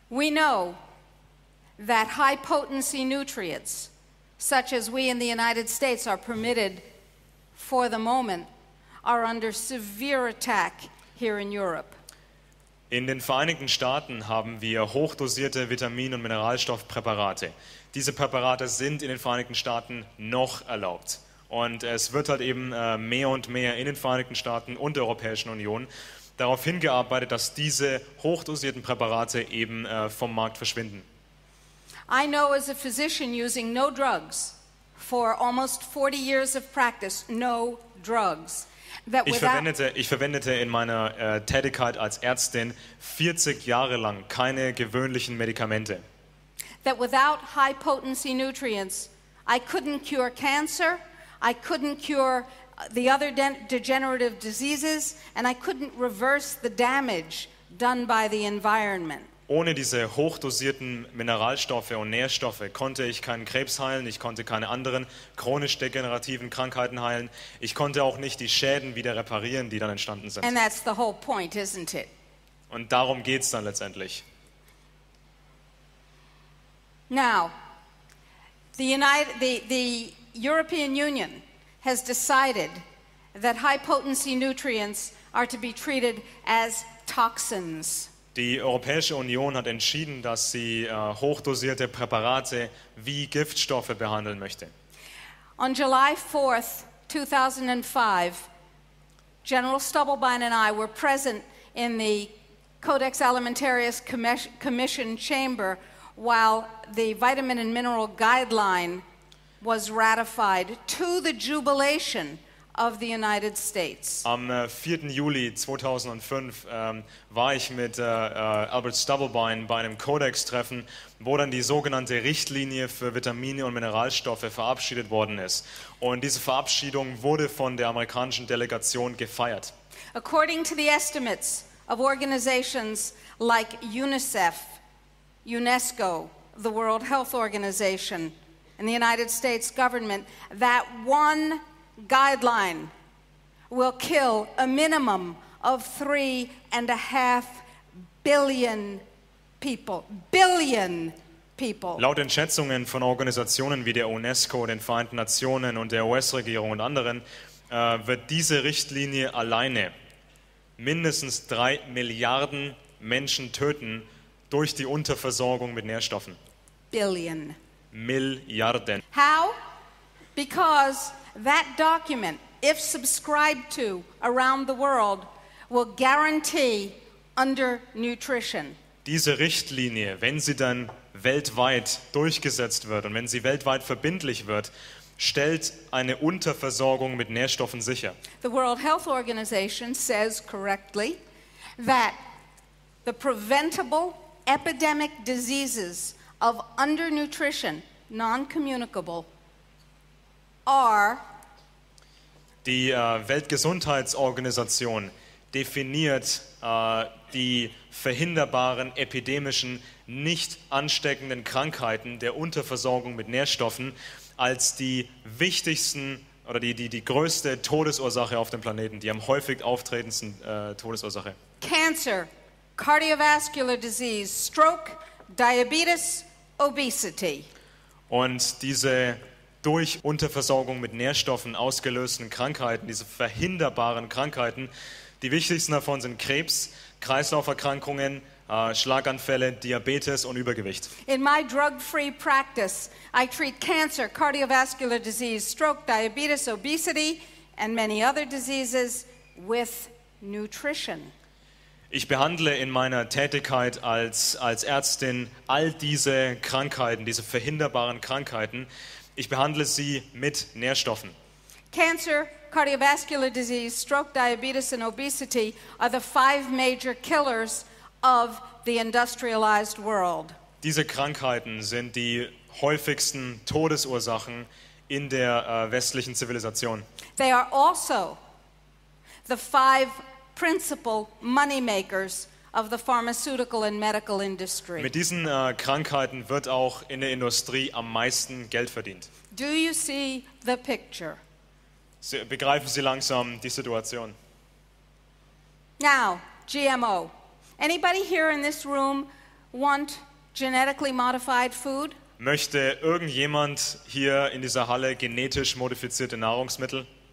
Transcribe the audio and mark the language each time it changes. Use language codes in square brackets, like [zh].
[en] We know that high potency nutrients, such as we in the United States are permitted for the moment, are under severe attack here in Europe. [de] In den Vereinigten Staaten haben wir hochdosierte Vitamin- und Mineralstoffpräparate. Diese Präparate sind in den Vereinigten Staaten noch erlaubt. Und es wird halt eben mehr und mehr in den Vereinigten Staaten und der Europäischen Union darauf hingearbeitet, dass diese hochdosierten Präparate eben vom Markt verschwinden. [en] I know as a physician using no drugs for almost 40 years of practice, no drugs. [de] Ich verwendete in meiner Tätigkeit als Ärztin 40 Jahre lang keine gewöhnlichen Medikamente. [en] That without high potency nutrients, I couldn't cure cancer, I couldn't cure the other degenerative diseases, and I couldn't reverse the damage done by the environment. [de] Ohne diese hochdosierten Mineralstoffe und Nährstoffe konnte ich keinen Krebs heilen, ich konnte keine anderen chronisch degenerativen Krankheiten heilen, ich konnte auch nicht die Schäden wieder reparieren, die dann entstanden sind. [en] And that's the whole point, isn't it? [de] Und darum geht's dann letztendlich. [en] Now, the European Union has decided that high potency nutrients are to be treated as toxins. [de] Die Europäische Union hat entschieden, dass sie hochdosierte Präparate wie Giftstoffe behandeln möchte. [en] On July 4th, 2005, General Stubblebine and I were present in the Codex Alimentarius Commission chamber while the vitamin and mineral guideline was ratified, to the jubilation of the United States. [de] Am 4. Juli 2005 war ich mit Albert Stubblebine bei einem Codex-Treffen, wo dann die sogenannte Richtlinie für Vitamine und Mineralstoffe verabschiedet worden ist. Und diese Verabschiedung wurde von der amerikanischen Delegation gefeiert. [en] According to the estimates of organizations like UNICEF, UNESCO, the World Health Organization, and the United States government, that one guideline will kill a minimum of 3.5 billion people. Billion people. [de] Laut den Schätzungen von Organisationen wie der UNESCO, den Vereinten Nationen und der US-Regierung und anderen, wird diese Richtlinie alleine mindestens 3 Milliarden Menschen töten durch die Unterversorgung mit Nährstoffen. [en] Billion. [de] Milliarden. [en] How? Because that document, if subscribed to around the world, will guarantee undernutrition. [de] Diese Richtlinie, wenn sie dann weltweit durchgesetzt wird und wenn sie weltweit verbindlich wird, stellt eine Unterversorgung mit Nährstoffen sicher. [en] The World Health Organization says correctly that the preventable epidemic diseases of undernutrition, non-communicable, are. [de] Die Weltgesundheitsorganisation definiert die verhinderbaren epidemischen, nicht ansteckenden Krankheiten der Unterversorgung mit Nährstoffen als die wichtigsten oder die größte Todesursache auf dem Planeten, die am häufig auftretendsten Todesursache. [en] Cancer, cardiovascular disease, stroke, diabetes, obesity. [de] Und diese durch Unterversorgung mit Nährstoffen ausgelösten Krankheiten, diese verhinderbaren Krankheiten, die wichtigsten davon sind Krebs, Kreislauferkrankungen, Schlaganfälle, Diabetes und Übergewicht. [en] In my drug-free practice, I treat cancer, cardiovascular disease, stroke, diabetes, obesity and many other diseases with nutrition. [de] Ich behandle in meiner Tätigkeit als Ärztin all diese Krankheiten, diese verhinderbaren Krankheiten. Ich behandle sie mit Nährstoffen. [en] Cancer, cardiovascular disease, stroke, diabetes and obesity are the 5 major killers of the industrialized world. [de] Diese Krankheiten sind die häufigsten Todesursachen in der westlichen Zivilisation. [en] They are also the 5 principal money makers of the pharmaceutical and medical industry. [de] Mit diesen Krankheiten wird auch in der Industrie am meisten Geld verdient. [en] Do you see the picture? [de] Begreifen Sie langsam die Situation. [en] Now, GMO. Anybody here in this room want genetically modified food? [de] Möchte irgendjemand hier in dieser Halle genetisch modifizierte Nahrungsmittel?